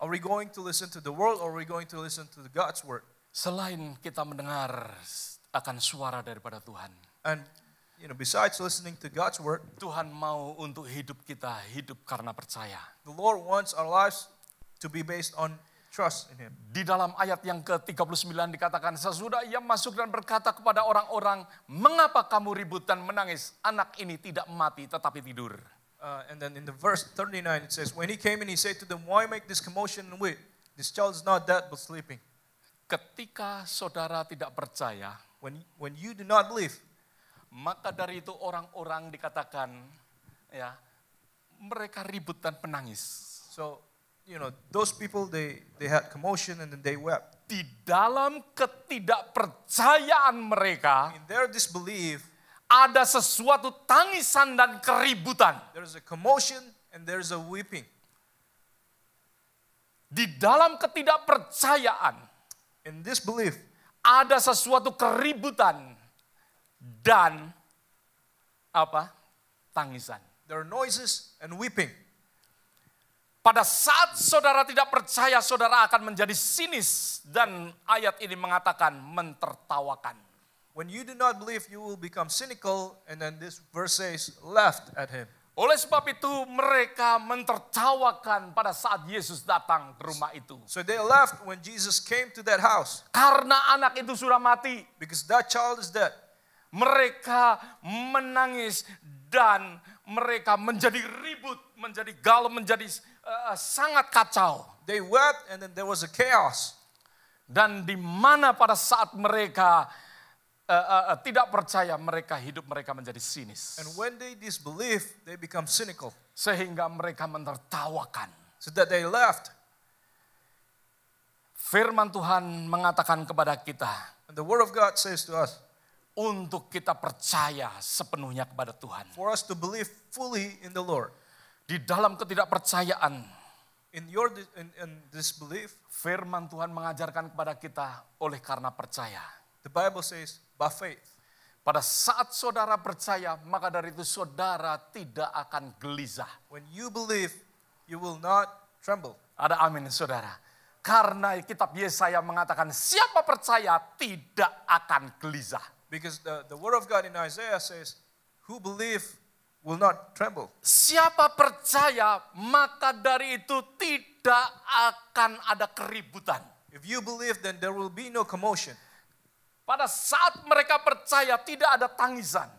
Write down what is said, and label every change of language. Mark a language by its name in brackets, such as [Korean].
[English] Are we going to listen to the world or are we going to listen to God's word? [Indonesian] Selain kita mendengar akan suara daripada Tuhan. [English] And you know, besides listening to God's word, [Indonesian] Tuhan mau untuk hidup kita hidup karena percaya. [English] The Lord wants our lives to be based on trust in him. [Indonesian] Di dalam ayat yang ke-39 dikatakan, sesudah ia masuk dan berkata kepada orang-orang, mengapa kamu ribut dan menangis? Anak ini tidak mati, tetapi tidur. [English] And then in the verse 39 it says, when he came in, he said to them, why make this commotion and weep? This child is not dead, but sleeping. [Indonesian] Ketika saudara tidak percaya, [English] when you do not believe, [Indonesian] maka dari itu orang-orang dikatakan, ya, mereka ribut dan menangis. [English] So, you know, those people they had commotion and then they wept. [Indonesian] Di dalam ketidakpercayaan mereka, [English] in their disbelief, [Indonesian] ada sesuatu tangisan dan keributan. [English] There is a commotion and there is a weeping. [Indonesian] Di dalam ketidakpercayaan, [English] in disbelief, [Indonesian] ada sesuatu keributan dan apa? Tangisan. [English] There are noises and weeping. [Indonesian] Pada saat saudara tidak percaya, saudara akan menjadi sinis dan ayat ini mengatakan mentertawakan. [English] When you do not believe, you will become cynical, and then this verse says, laughed at him. [Indonesian] Oleh sebab itu mereka mentertawakan pada saat Yesus datang ke rumah itu. [English] So they laughed when Jesus came to that house. [Indonesian] Karena anak itu sudah mati. [English] Because that child is dead. [Indonesian] Mereka menangis dan mereka menjadi ribut, menjadi galau, menjadi sangat kacau. [English] They wept and then there was a chaos. [Indonesian] Dan di mana pada saat mereka tidak percaya, mereka hidup mereka menjadi sinis. [English] And when they disbelieve, they become cynical. [Indonesian] Sehingga mereka mentertawakan. [English] So that they laughed. [Indonesian] Firman Tuhan mengatakan kepada kita. [English] And the word of God says to us. [Indonesian] Untuk kita percaya sepenuhnya kepada Tuhan. [English] For us to believe fully in the Lord. [Indonesian] Di dalam ketidakpercayaan. [English] In disbelief. [Indonesian] Firman Tuhan mengajarkan kepada kita oleh karena percaya. [English] The Bible says by faith. [Indonesian] Pada saat saudara percaya, maka dari itu saudara tidak akan gelisah. [English] When you believe, you will not tremble. [Indonesian] Ada amin saudara. Karena kitab Yesaya mengatakan siapa percaya tidak akan gelisah. [English] Because the word of God in Isaiah says, who believe will not tremble. [Indonesian] Siapa percaya, maka dari itu tidak akan ada keributan. [English] If you believe, then there will be no commotion. [Indonesian] Pada saat mereka percaya, tidak ada tangisan.